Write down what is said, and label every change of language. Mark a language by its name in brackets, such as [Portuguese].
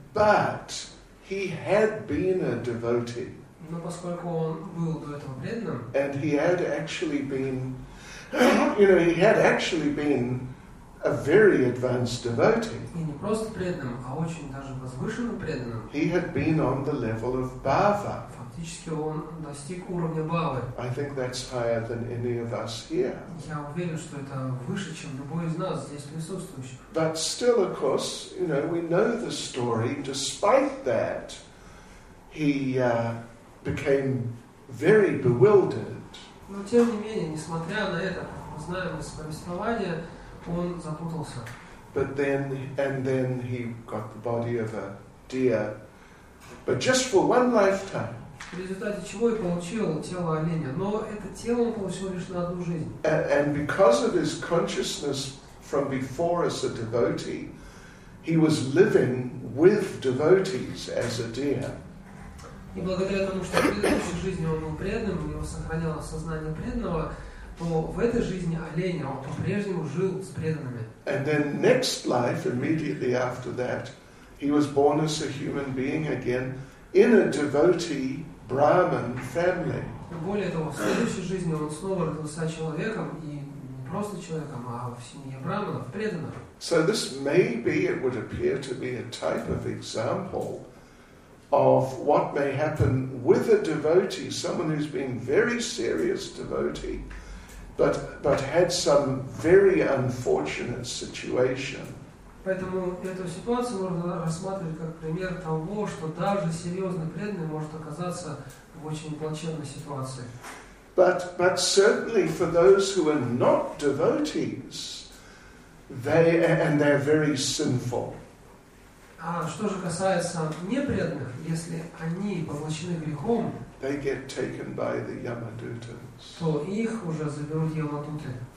[English] But he had been a devotee. [Russian] Но поскольку он был до этого преданным, [English] and he had actually been, you know, he had actually been a very advanced devotee. [Russian] И не просто преданным, а очень даже возвышенным преданным. [English] He had been on the level of Bhava. [Russian] Фактически он достиг уровня Бхавы. [English] I think that's higher than any of us here. [Russian] Я уверен, что это выше, чем любой из нас здесь присутствующих. [English] But still, of course, you know, we know the story. Despite that, he became very bewildered. [Russian] Но тем не менее, несмотря на это, мы знаем из повествования, он запутался. [English] But then, and then he got the body of a deer, but just for one lifetime. [Russian] В результате чего и получил тело оленя, но это тело он получил лишь на одну жизнь. [English] And because of his consciousness from before as a devotee, he was living with devotees as a deer. [Russian] И благодаря тому, что в предыдущей жизни он был преданным, у него сохранялось сознание преданного, то в этой жизни оленя он по-прежнему жил с преданными. [English] And then next life, immediately after that, he was born as a human being again in a devotee Brahman family. [Russian] Более того, в следующей жизни он снова родился человеком, и не просто человеком, а в семье браманов, преданных. [English] So this may be, it would appear to be a type of example of what may happen with a devotee, someone who's been very serious devotee, but had some very unfortunate situation. [Russian] Поэтому эту ситуацию можно рассматривать как пример того, что даже серьезный преданный может оказаться в очень плачевной ситуации. [English] But certainly for those who are not devotees, they and they're very sinful. [Russian] А что же касается непреданных, если они поглощены грехом, [English] they get taken by the Yamadutas. [Russian] То их уже заберут Ямадуты.